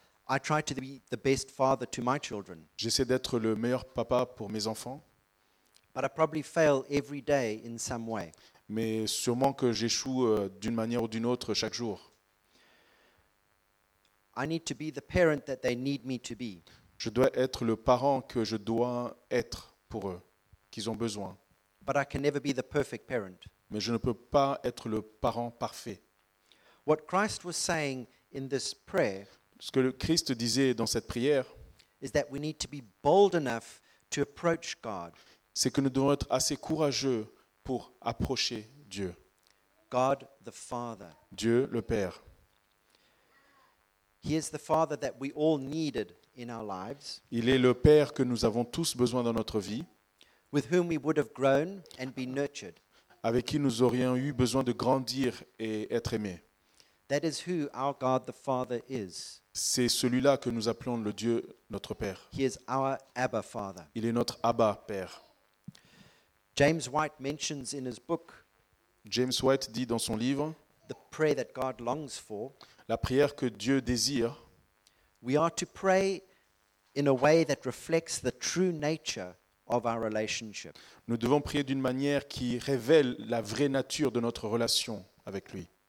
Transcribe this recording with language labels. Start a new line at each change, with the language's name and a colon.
English: I try to be the best father to my children.
French: J'essaie d'être le meilleur papa pour mes enfants.
English: But I probably fail every day in some way.
French: Mais sûrement que j'échoue d'une manière ou d'une autre chaque jour.
English: I need to be the parent that they need me to be.
French: Je dois être le parent que je dois être pour eux, qu'ils ont besoin.
English: But I can never be the perfect parent.
French: Mais je ne peux pas être le parent parfait.
English: What Christ was saying in this prayer.
French: Ce que le Christ disait dans cette prière,
English: is that we need to be bold enough to approach God.
French: C'est que nous devons être assez courageux pour approcher Dieu.
English: God the Father.
French: Dieu le Père.
English: He is the Father that we all needed in our lives.
French: Il est le Père que nous avons tous besoin dans notre vie.
English: With whom we would have grown and been nurtured.
French: Avec qui nous aurions eu besoin de grandir et être aimés.
English: That is who our God the Father is.
French: C'est celui-là que nous appelons le Dieu notre Père.
English: He is our Abba Father.
French: Il est notre Abba Père.
English: James White mentions in his book.
French: James White dit dans son livre.
English: The prayer that God longs for.
French: La prière que Dieu désire.
English: We are to pray in a way that reflects the true nature of our relationship.
French: Nous devons prier d'une manière qui révèle la vraie nature de notre relation avec lui.